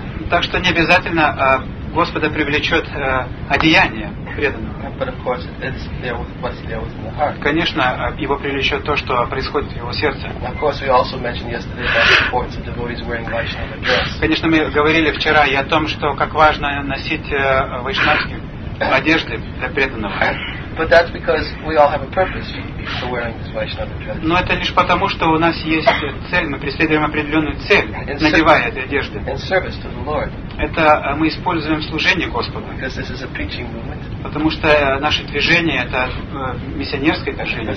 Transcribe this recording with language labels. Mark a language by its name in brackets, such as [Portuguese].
[Russian] Так что не обязательно Господа привлечет одеяние преданного. [English] But of course, it's there with what's there within the heart. [Russian] Конечно, его привлечет то, что происходит в его сердце. [English] Of course, we also mentioned yesterday about the importance of devotees wearing Vaishnava dress. [Russian] Конечно, мы говорили вчера и о том, что как важно носить вайшнавские одежды для преданного. [English] But that's because we all have a purpose for wearing this Vaishnava dress. [Russian] Но это лишь потому, что у нас есть цель, мы преследуем определенную цель, надевая эти одежды. [English] In service to the Lord. [Russian] Это мы используем служение Господу. [English] Because this is a preaching movement. [Russian] Потому что наше движение это миссионерское движение.